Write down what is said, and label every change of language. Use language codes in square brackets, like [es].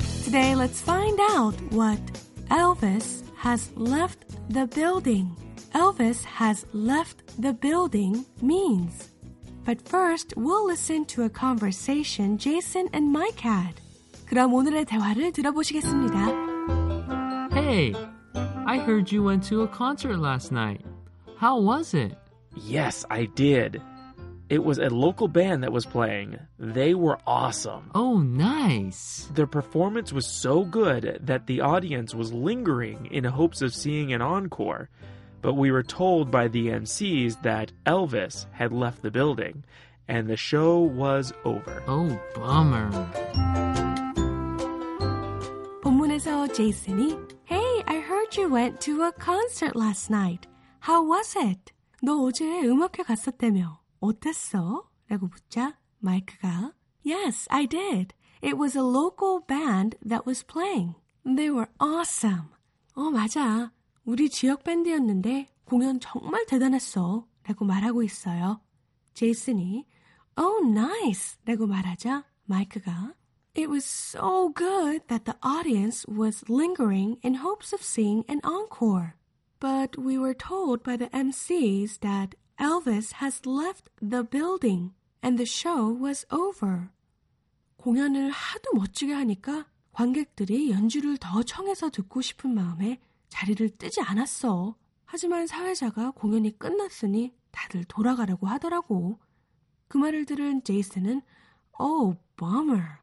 [en] 네, let's find out what Elvis has left the building. Elvis has left the building means. But first, we'll listen to a conversation Jason and Mike had. [ko] 그럼 오늘의 대화를 들어보시겠습니다. [en] Hey, I heard you went to a concert last night. How was it? Yes, I did. It was a local band that was playing. They were awesome. Oh, nice. Their performance was so good that the audience was lingering in hopes of seeing an encore. But we were told by the MCs that Elvis had left the building, and the show was over. Oh, bummer. [ko] 본문에서 제이슨이, [en] Hey, I heard you went to a concert last night. How was it? [ko] 너 어제 음악회 갔었다며. 어땠어? 라고 묻자 마이크가 [en] Yes, I did. It was a local band that was playing. They were awesome. [ko] 어, 맞아. 우리 지역 밴드였는데 공연 정말 대단했어. 라고 말하고 있어요. 제이슨이 [en] Oh, nice. [ko] 라고 말하자 마이크가 [en] It was so good that the audience was lingering in hopes of seeing an encore. But we were told by the MCs that Elvis has left the building, and the show was over. [ko] 공연을 하도 멋지게 하니까 관객들이 연주를 더 청해서 듣고 싶은 마음에 자리를 뜨지 않았어. 하지만 사회자가 공연이 끝났으니 다들 돌아가려고 하더라고. 그 말을 들은 제이슨은 [en] Oh, bummer.